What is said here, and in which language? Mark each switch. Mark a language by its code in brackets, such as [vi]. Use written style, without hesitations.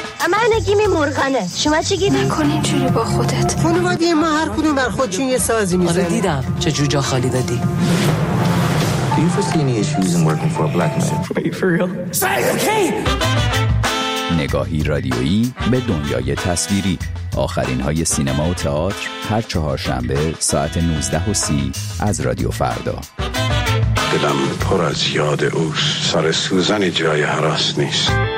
[fa] من گیمی مرغانه، شما چی گیری؟ نکنی اینجوری با خودت. خانواده ما هر کدوم بر خودشون یه سازی میزنه. آره دیدم چه جوجا خالی دادی. [en] Do you foresee any issues in working for a black man? Wait, for real? Say it's okay! [fa] نگاهی رادیویی به دنیای تصویری، آخرین های سینما و تئاتر هر چهارشنبه ساعت 19:30 از رادیو فردا. دلم پر از یاد اوست، سر سوزنی جای هراس نیست.